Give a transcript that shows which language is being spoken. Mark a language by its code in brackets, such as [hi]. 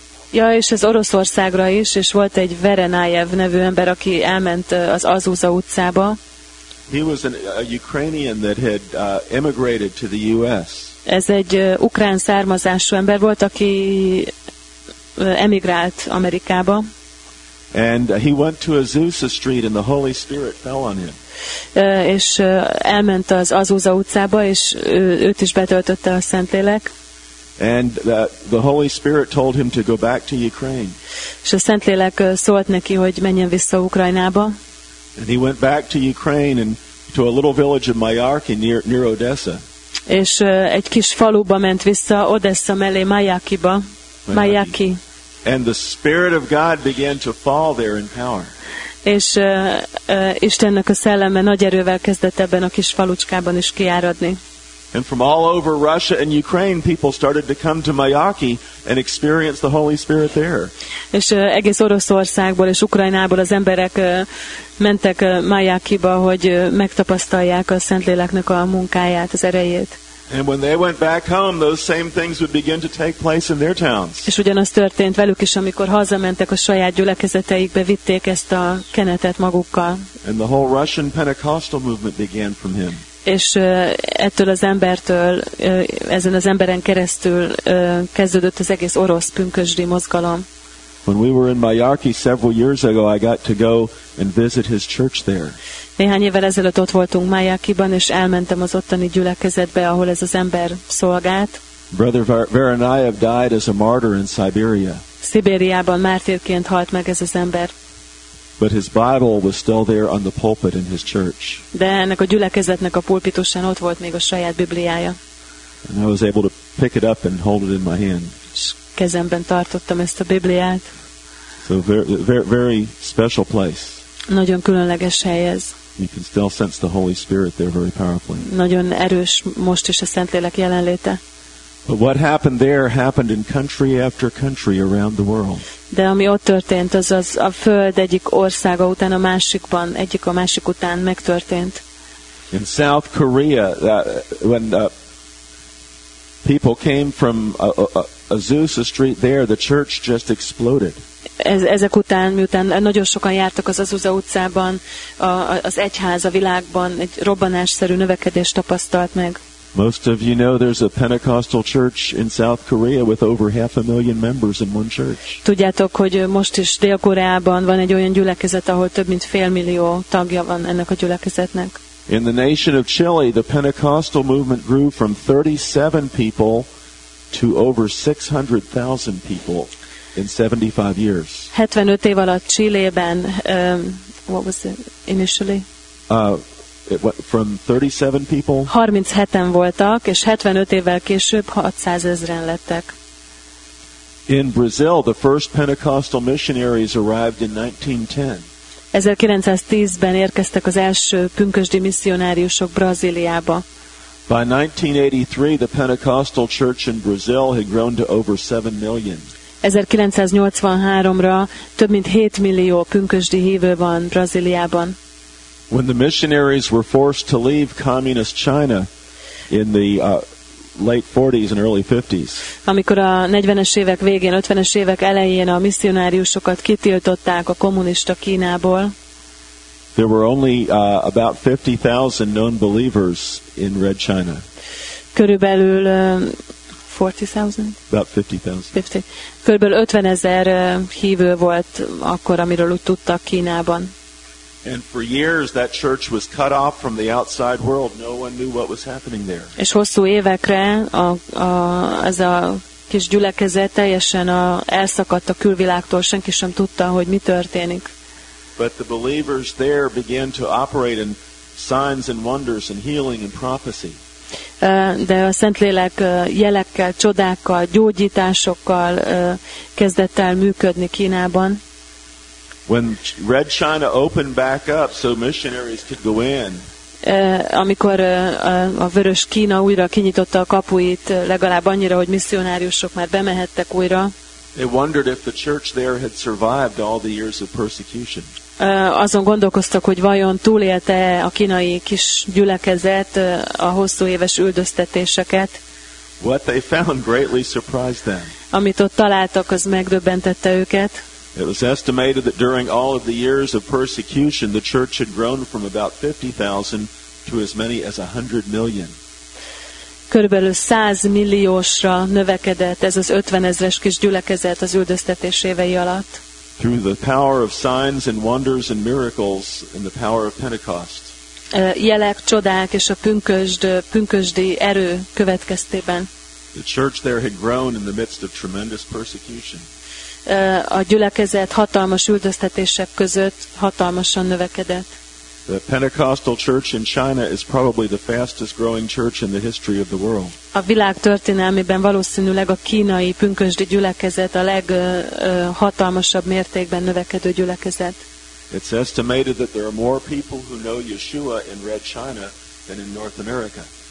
[hu] Ja, és ez Oroszországra is, és volt egy Veronayev nevű ember, aki elment az Azusa utcába. [en] He was a Ukrainian that had immigrated to the U.S. [hu] Ez egy ukrán származású ember volt, aki emigrált Amerikába. [en] And he went to Azusa Street and the Holy Spirit fell on him. [hu] És elment az Azusa utcába, és őt is betöltötte a Szentlélek. [en] And the Holy Spirit told him to go back to Ukraine. [hu] És a Szentlélek szólt neki, hogy menjen vissza Ukrajnába. [en] And he went back to Ukraine and to a little village of Mayarki near Odessa. [hu] és egy kis faluba ment vissza, Odessa mellé, Majakiba. Majaki. [en] And the Spirit of God began to fall there in power. [hu] És Istennek a szelleme nagy erővel kezdett ebben a kis falucskában is kiáradni. [en] And from all over Russia and Ukraine, people started to come to Majaki and experience the Holy Spirit there. [hu] És egész Oroszországból és Ukrajnából az emberek mentek Majakiba, hogy megtapasztalják a Szentléleknek a munkáját, az erejét. [en] And when they went back home, those same things would begin to take place in their towns. [hu] És ugyanaz történt velük is, amikor hazamentek a saját gyülekezeteikbe, vitték ezt a kenetet magukkal. [en] And the whole Russian Pentecostal movement began from him. [hu] És ettől az embertől, ezen az emberen keresztül kezdődött az egész orosz pünkösdi mozgalom. [en] When we were in Majaki several years ago, I got to go and visit his church there. [hu] Néhány évvel ezelőtt ott voltunk Majakiban, és elmentem az ottani gyülekezetbe, ahol ez az ember szolgált. [en] Brother Veronayev died as a martyr in Siberia. [hu] Szibériában mártírként halt meg ez az ember. [en] But his Bible was still there on the pulpit in his church. [hu] De ennek a gyülekezetnek a pulpitusán ott volt még a saját Bibliája. [en] And I was able to pick it up and hold it in my hand. [hu] Kezemben tartottam ezt a Bibliát. [en] So very special place. [hu] Nagyon különleges hely ez. [en] You can still sense the Holy Spirit there very powerfully. [hu] Nagyon erős most is a Szentlélek jelenléte. [en] But what happened there happened in country after country around the world. [hu] De ami ott történt, az az a föld egyik országa után a másikban, egyik a másik után megtörtént. [en] In South Korea, when people came from Azusa Street there, the church just exploded. [hu] Ezek után, miután nagyon sokan jártak az Azusa utcában, az egyház a világban egy robbanásszerű növekedést tapasztalt meg. [en] Most of you know there's a Pentecostal church in South Korea with over 500,000 members in one church. [hu] Tudjátok, hogy most is Dél-Koreában van egy olyan gyülekezet, ahol több mint 500,000 tagja van ennek a gyülekezetnek. [en] In the nation of Chile, the Pentecostal movement grew from 37 people to over 600,000 people in 75 years. [hu] 75 év alatt Chileben, [en] what was it initially? It went from 37 people. [hu] 37-en voltak, és 75 évvel később 600,000-en lettek. [en] In Brazil, the first Pentecostal missionaries arrived in 1910. [hu] 1910-ben érkeztek az első pünkösdi misszionáriusok Brazíliába. [en] By 1983, the Pentecostal church in Brazil had grown to over 7 million. [hu] 1983-ra több mint 7 millió pünkösdi hívő van Brazíliában. [en] When the missionaries were forced to leave communist China in the late 40s and early 50s. [hu] Amikor a 40-es évek végén, 50-es évek elején a misszionáriusokat kitiltották a kommunista Kínából. [en] There were only about 50,000 known believers in Red China. [hu] Körülbelül 40,000? [en] About 50,000. [hu] Körülbelül 50,000 hívő volt akkor, amiről úgy tudtak Kínában. [en] And for years that church was cut off from the outside world. No one knew what was happening there. [hu] És hosszú évekre ez a kis gyülekezet teljesen elszakadt a külvilágtól, senki sem tudta, hogy mi történik. [en] But the believers there began to operate in signs and wonders and healing and prophecy. [hu] De a Szentlélek jelekkel, csodákkal, gyógyításokkal kezdett el működni Kínában. [en] When Red China opened back up so missionaries could go in. [hu] Amikor a Vörös Kína újra kinyitotta a kapuit, legalább annyira, hogy misszionáriusok már bemehettek újra. [en] They wondered if the church there had survived all the years of persecution. [hu] Azon gondolkoztak, hogy vajon túlélte a kínai kis gyülekezet a hosszú éves üldöztetéseket. [en] What they found greatly surprised them. [hu] Amit ott találtak, az megdöbbentette őket. [en] It was estimated that during all of the years of persecution, the church had grown from about 50,000 to as many as 100 million. [hu] Körülbelül 100 milliósra növekedett ez az 50,000-es kis gyülekezet az üldöztetés évei alatt. [en] Through the power of signs and wonders and miracles and the power of Pentecost. [hu] Jelek, csodák és a pünkösdi erő következtében. [en] The church there had grown in the midst of tremendous persecution. [hu] A gyülekezet hatalmas üldöztetések között hatalmasan növekedett. [en] The Pentecostal church in China is probably the fastest growing church in the history of the world. [hu] A világ történelmében valószínűleg a kínai pünkösdi gyülekezet a leghatalmasabb mértékben növekedő gyülekezet. [en] It's estimated that there are more people who know Yeshua in Red China than in North America.